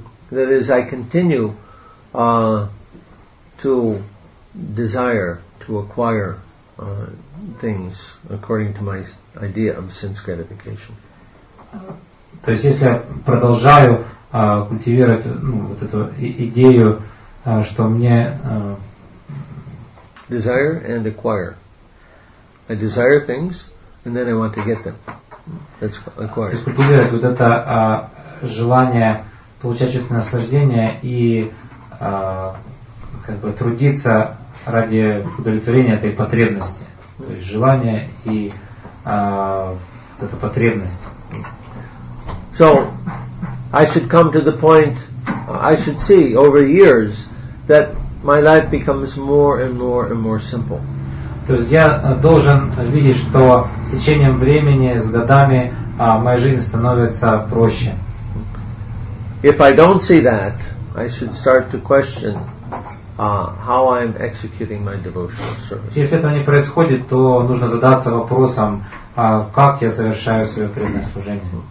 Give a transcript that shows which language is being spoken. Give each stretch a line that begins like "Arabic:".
English: That is, I continue to desire to acquire things according to my idea of sense gratification.
Russian: То есть, если я продолжаю культивировать вот эту идею, что мне
English: desire and acquire. I desire things, and then I want to get them. That's acquire.
Russian: То есть культивировать вот это желание получать чувственное наслаждение и как бы трудиться ради удовлетворения этой потребности. То есть желание и вот эта потребность.
English: So I should come to the point, I should see over years that my life becomes more and more and more simple.
Russian: То есть я должен видеть, что с течением времени, с годами, моя жизнь становится проще.
English: If I don't see that, I should start to question how I'm executing my devotional service.
Russian: Если это не происходит, то нужно задаться вопросом, как я совершаю свое преданное служение.